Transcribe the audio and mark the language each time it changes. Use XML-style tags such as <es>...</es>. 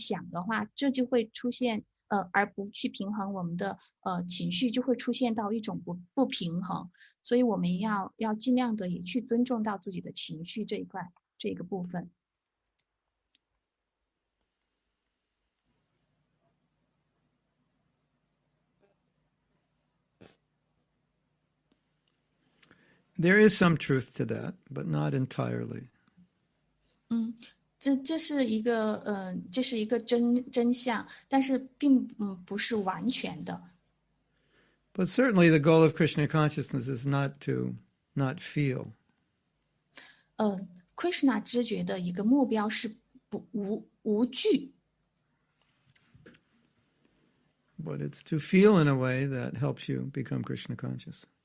<zh>在南非的这样一种国度，他们对于情绪、他们对于情感的尊重会更加的接纳，所以他们可能出现这种情况就会更少一些。我们应当用我们的智性来平衡我们的思维，然后如果我们只是说在头脑上想的话，这就会出现。而不去平衡我们的情绪，就会出现到一种不平衡。所以我们要尽量的也去尊重到自己的情绪这一个部分。There</zh> <en>is some truth to that, but not entirely.</en> <zh>这是一个真相，但是并不是完全的。But</zh> <en>certainly the goal of Krishna consciousness is not to not feel.</en> <zh>Krishna 知觉的一个目标是无惧。</zh> <en>But it's to feel in a way that helps you become Krishna conscious.</en>